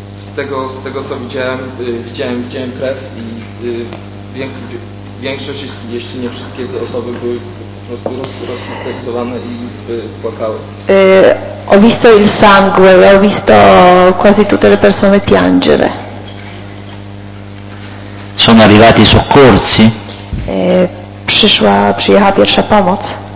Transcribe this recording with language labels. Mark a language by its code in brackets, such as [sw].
[pl] Z tego co widziałem, widziałem krew i większość, jeśli nie wszystkie te osoby były po prostu rozhisteryzowane i płakały. [it] Ho visto il sangue, ho visto quasi tutte le persone piangere. Sono arrivati i soccorsi? [pl] Przyjechała pierwsza pomoc.